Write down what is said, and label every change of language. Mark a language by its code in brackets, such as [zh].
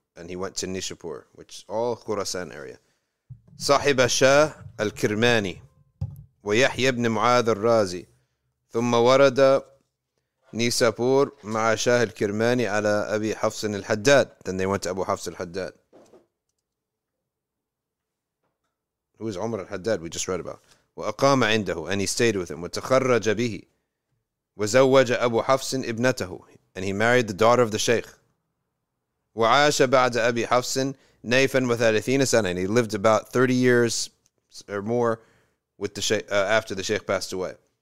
[en] And he went to Nishapur, which is all Khurasan area. [ar] صاحب شاه الكرماني ويحيى بن معاذ الرازي ثم ورد نيسابور مع شاه الكرماني على أبي حفص الحداد. [en] Then they went to Abu Hafs al-Haddad. Who is Umar al-Haddad? We just read about. [ar] وأقام عنده. [en] And he stayed with him. [ar] وتخرج به. وزوج أبو حفص ابنته. [en] And he married the daughter of the sheikh. [ar] وعاش بعد أبي حفص [en] Nathan with Athena son, and he lived about 30 years or more with the sheikh, after the sheikh passed away.